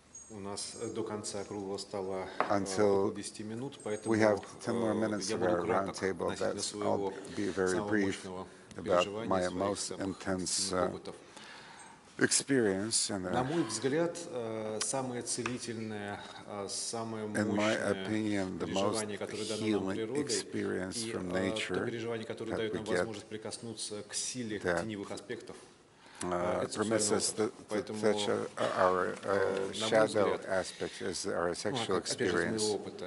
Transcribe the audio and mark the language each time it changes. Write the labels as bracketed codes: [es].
[ru] У нас до конца круглого стола [en] until [ru] 10 минут, поэтому [en] we have 10 more minutes of our round table. That's, I'll be very brief about my most intense experience. [ru] На мой взгляд, самое целительное, самое мощное переживание, которое дано нам природой, и то переживание, которое дает нам возможность прикоснуться к силе теневых аспектов. [en] Permits us to touch our shadow aspect is our sexual experience.